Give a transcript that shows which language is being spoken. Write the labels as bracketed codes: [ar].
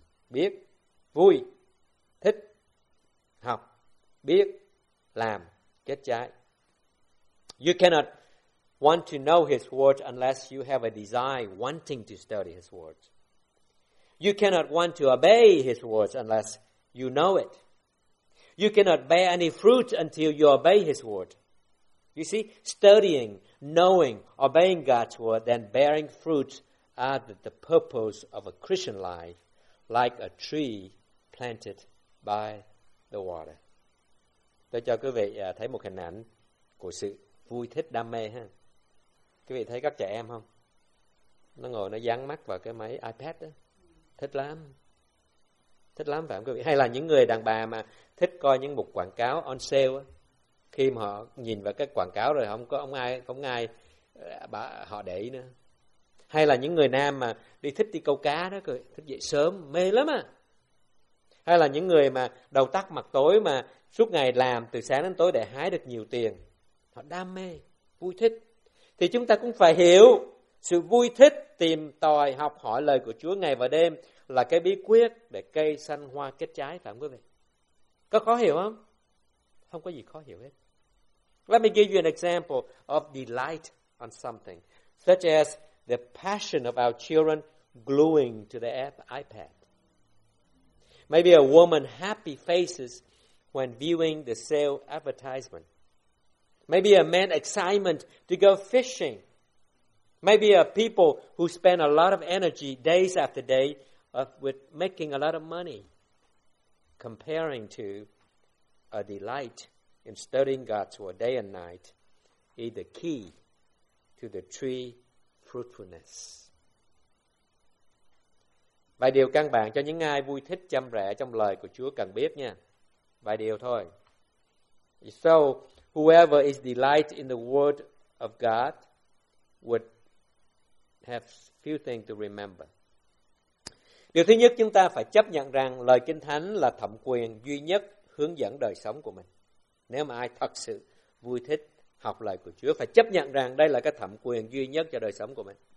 [vi] Biết, vui, thích, học, biết, làm, kết trái. [en] You cannot want to know his word unless you have a desire wanting to study his word. You cannot want to obey his words unless you know it. You cannot bear any fruit until you obey his word. You see, studying, knowing, obeying God's word, then bearing fruit are the purpose of a Christian life, like a tree planted by the water. [vi] Tôi cho quý vị thấy một hình ảnh của sự vui thích đam mê ha. Quý vị thấy các trẻ em không? Nó ngồi nó dán mắt vào cái máy iPad đó. Thích lắm. Thích lắm phải không quý vị? Hay là những người đàn bà mà thích coi những mục quảng cáo [en] on sale [vi] á. Khi mà họ nhìn vào cái quảng cáo rồi không có ông ai, không ai bà, họ để ý nữa. Hay là những người nam mà đi thích đi câu cá đó, thích dậy sớm, mê lắm à. Hay là những người mà đầu tắt mặt tối mà suốt ngày làm từ sáng đến tối để hái được nhiều tiền. Họ đam mê, vui thích. Thì chúng ta cũng phải hiểu sự vui thích tìm tòi học hỏi lời của Chúa ngày và đêm là cái bí quyết để cây xanh hoa kết trái, phải không quý vị? Có khó hiểu không? Không có gì khó hiểu hết. [en] Let me give you an example of delight on something, such as the passion of our children gluing to the iPad. Maybe a woman happy faces when viewing the sale advertisement. Maybe a man's excitement to go fishing. Maybe a people who spend a lot of energy days after day with making a lot of money, comparing to a delight in studying God's word day and night, is the key to the tree fruitfulness. [vi] Vài điều căn bản cho những ai vui thích chăm rẽ trong lời của Chúa cần biết nha. Vài điều thôi. [en] So, whoever is delight in the word of God would have few things to remember. [vi] Điều thứ nhất, chúng ta phải chấp nhận rằng lời Kinh Thánh là thẩm quyền duy nhất hướng dẫn đời sống của mình. Nếu mà ai thật sự vui thích học lời của Chúa, phải chấp nhận rằng đây là cái thẩm quyền duy nhất cho đời sống của mình.